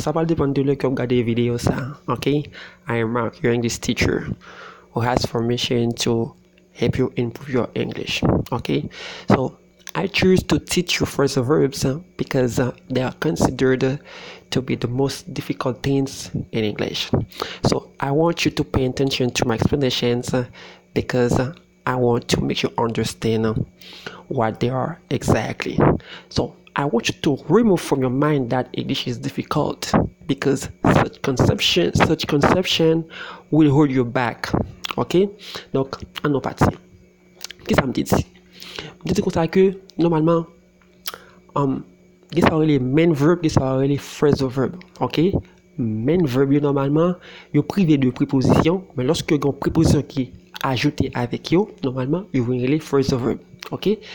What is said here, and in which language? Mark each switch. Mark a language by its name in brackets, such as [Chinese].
[French] Ça va dépendre de l'heure que vous regardez la vidéo, ça. Ok? [English] I am Mark, your English teacher, who has for mission to help you improve your English. Ok? So, I choose to teach you phrasal verbs because they are considered to be the most difficult things in English. So, I want you to pay attention to my explanations because I want to make you understand what they are exactly. So, I want you to remove from your mind that English is difficult because such conception will hold you back. [French] Ok? Donc, en nos parties. Qu'est-ce que ça me dit? Je dis comme ça que, normalement, qu'est-ce que les main verbs, qu'est-ce que les phrasal verbs? Ok? Main verb, normalement, ils sont privés de prépositions, mais lorsque vous avez une préposition qui est ajoutée avec vous, normalement, vous avez les phrasal verbs. Ok?